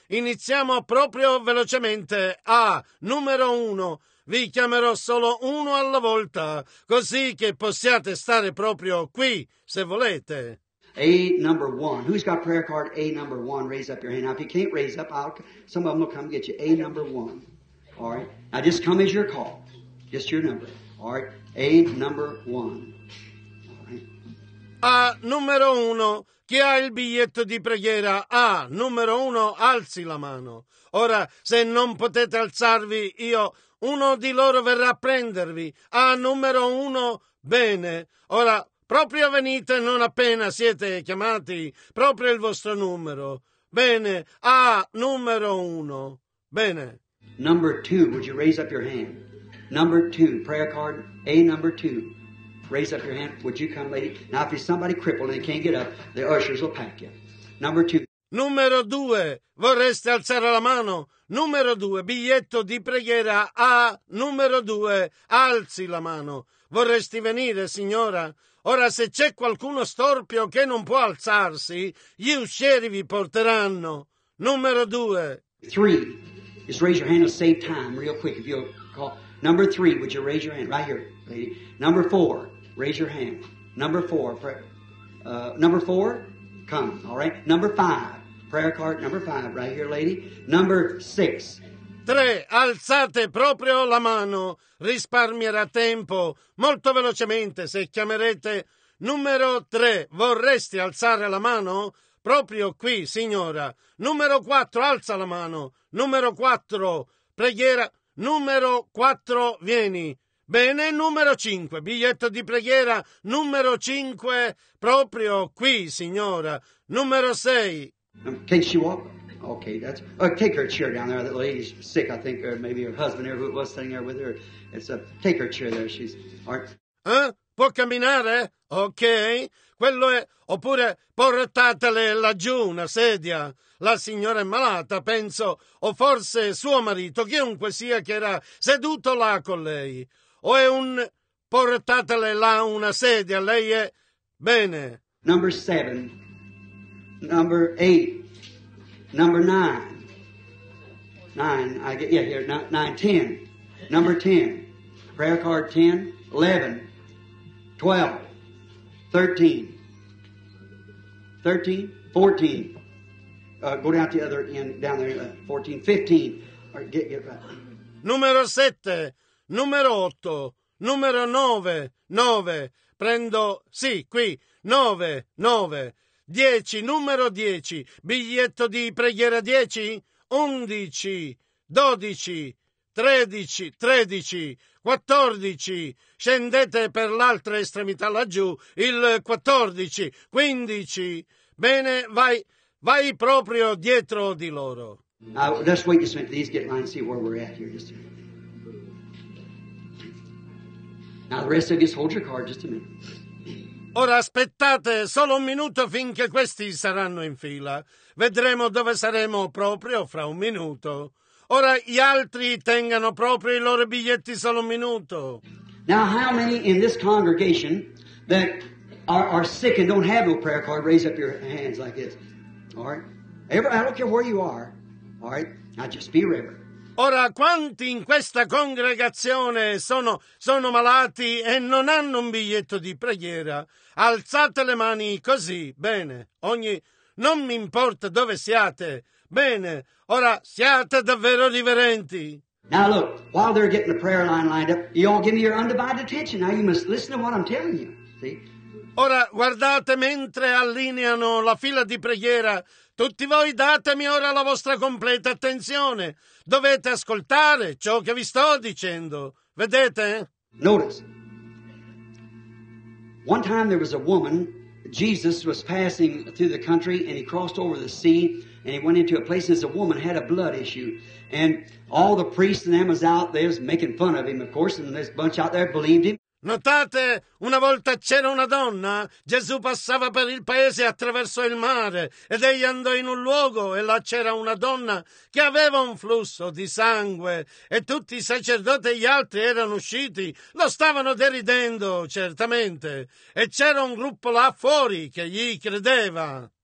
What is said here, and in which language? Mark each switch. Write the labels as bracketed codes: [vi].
[it] Iniziamo proprio velocemente. A, numero uno. Vi chiamerò solo uno alla volta, così che possiate stare proprio qui, se volete. [en] A number one. Who's got prayer card A number one? Raise up your hand. Now, if you can't raise up, some of them will come get you. A number one. All right. Now, just come as you're called. Just your number. All right. A number one. All right. [it] A numero uno. Chi ha il biglietto di preghiera A numero uno, alzi la mano. Ora, se non potete alzarvi, io... Uno di loro verrà a prendervi. A numero uno, bene. Ora, proprio venite non appena siete chiamati. Proprio il vostro numero. Bene. A numero uno. Bene. [en] Number two, would you raise up your hand? Number two, prayer card. A number two. Raise up your hand. Would you come, lady? Now, if you're somebody crippled and you can't get up, the ushers will pack you. Number two. [it] Numero due, vorreste alzare la mano? Numero due, biglietto di preghiera A, numero due, alzi la mano. Vorresti venire, signora? Ora, se c'è qualcuno storpio che non può alzarsi, gli uscieri vi porteranno. Numero due. [en] Three, just raise your hand and save time real quick if you'll call. Number three, would you raise your hand? Right here, lady. Number four, raise your hand. Number four, number four? Come, all right. Number five, prayer card number five, right here, lady. Number six. [it] Tre, alzate proprio la mano, risparmierà tempo, molto velocemente se chiamerete. Numero tre, vorresti alzare la mano? Proprio qui, signora. Numero quattro, alza la mano. Numero quattro, preghiera. Numero quattro, vieni. Bene, numero 5, biglietto di preghiera, numero 5, proprio qui, signora. Numero 6. [en] Can she walk? Okay, that's... take her chair down there, that lady's sick, I think, or maybe her husband here, who was sitting there with her. It's a... take her chair there, she's... [it] Può camminare? Ok, quello è... oppure portatele laggiù una sedia. La signora è malata, penso, o forse suo marito, chiunque sia che era seduto là con lei. O è un portatele là una sedia, lei è bene. [en] Number 7, number 8, number 9, 9, I get, yeah, here, 9, 10, number 10, prayer card 10, 11, 12, 13, 13, 14. Go down to the other end, down there, 14, 15. All right, get right. [it] Numero 7, numero 8, numero 9, 9. Prendo, sì, qui, 9, 9. 10, numero 10, biglietto di preghiera 10, 11, 12, 13, 13, 14. Scendete per l'altra estremità laggiù, il 14, 15. Bene, vai. Vai proprio dietro di loro. [en] Just wait just a minute. These get line and see where we're at here. Just a minute. Now the rest of you just hold your card just a minute. [it] Ora aspettate solo un minuto finché questi saranno in fila. Vedremo dove saremo proprio fra un minuto. Ora gli altri tengano proprio i loro biglietti solo un minuto. [en] Now how many in this congregation that are sick and don't have no prayer card, raise up your hands like this. All right. I don't care where you are. All right. Now just be reverent. [it] Ora quanti in questa congregazione sono malati e non hanno un biglietto di preghiera? Alzate le mani così. Bene. Non mi importa dove siate. Bene. Ora siate davvero riverenti. [en] Now look, while they're getting the prayer line lined up, you all give me your undivided attention. Now you must listen to what I'm telling you. See? [it] Ora guardate mentre allineano la fila di preghiera. Tutti voi datemi ora la vostra completa attenzione. Dovete ascoltare ciò che vi sto dicendo. Vedete? [en] Notice. One time there was a woman. Jesus was passing through the country and he crossed over the sea and he went into a place and this woman had a blood issue. And all the priests and them was out there was making fun of him, of course, and this bunch out there believed him. [it] Notate, una volta c'era una donna, Gesù passava per il paese attraverso il mare ed egli andò in un luogo e là c'era una donna che aveva un flusso di sangue e tutti i sacerdoti e gli altri erano usciti, lo stavano deridendo certamente e c'era un gruppo là fuori che gli credeva.